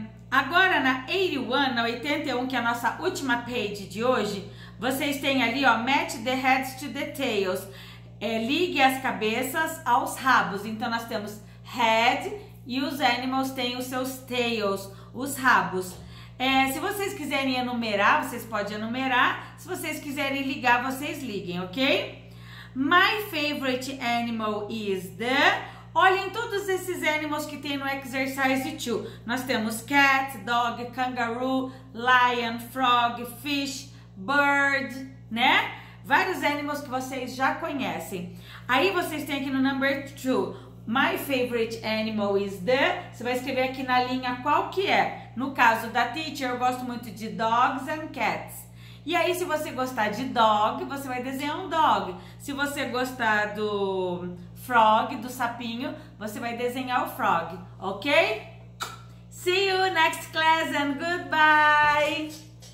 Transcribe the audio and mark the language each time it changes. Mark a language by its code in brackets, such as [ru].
[pt] Agora na 81, na 81, que é a nossa última page de hoje, vocês têm ali, ó, [en] match the heads to the tails. [pt] Ligue as cabeças aos rabos. Então, nós temos head e os animals têm os seus tails, os rabos. Se vocês quiserem enumerar, vocês podem enumerar. Se vocês quiserem ligar, vocês liguem, ok? [en] My favorite animal is the... [pt] Olhem todos esses animals que tem no exercise 2. Nós temos cat, dog, kangaroo, lion, frog, fish... Bird, né? Vários animals que vocês já conhecem. Aí vocês têm aqui no number 2. [en] My favorite animal is the... [pt] Você vai escrever aqui na linha qual que é. No caso da teacher, eu gosto muito de [en] dogs and cats. [pt] E aí, se você gostar de dog, você vai desenhar um dog. Se você gostar do frog, do sapinho, você vai desenhar o frog. Ok? [en] See you next class and goodbye!